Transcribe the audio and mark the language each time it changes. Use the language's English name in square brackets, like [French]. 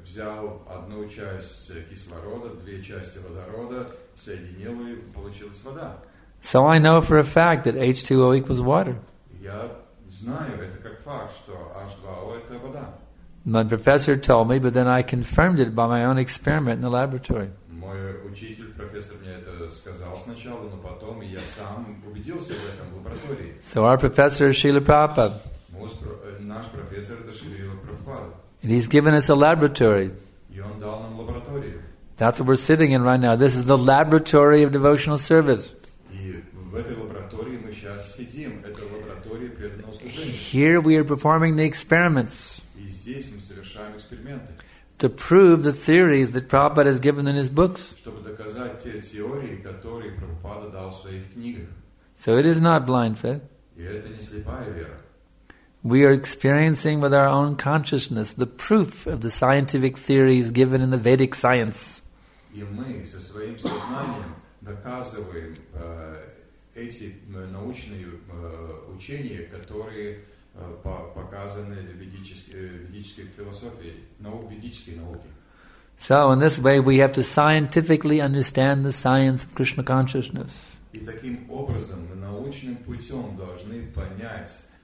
[Russian] взял одну часть кислорода, две части водорода, соединил и получилась вода. [English] So I know for a fact that H2O equals water. [Russian] Я знаю это как факт, что H2O это вода. [English] My professor told me, but then I confirmed it by my own experiment in the laboratory. [Russian] Мой учитель, профессор, мне это сказал сначала, но потом я сам убедился в этом лаборатории. [English] So our professor is Srila Prabhupada. [Russian] Наш профессор это Шрила Прабхупада. [English] And he's given us a laboratory. [Russian] И он дал нам лабораторию. [English] That's what we're sitting in right now. This is the laboratory of devotional service. [Russian] И в этой лаборатории мы сейчас сидим. Это лаборатория преданного служения. [English] Here we are performing the experiments. [Russian] И здесь мы совершаем эксперименты. [English] To prove the theories that Prabhupada has given in his books. [Russian] Чтобы доказать те теории, которые Прабхупада дал в своих книгах. [English] So it is not blind faith. [Russian] И это не слепая вера. [English] We are experiencing with our own consciousness the proof of the scientific theories given in the Vedic science. [Russian] И мы со своим сознанием доказываем эти научные учения, которые показаны в ведической философии, ведической науке. [English] So in this way we have to scientifically understand the science of Krishna consciousness. [Russian] И таким образом мы научным путем должны понять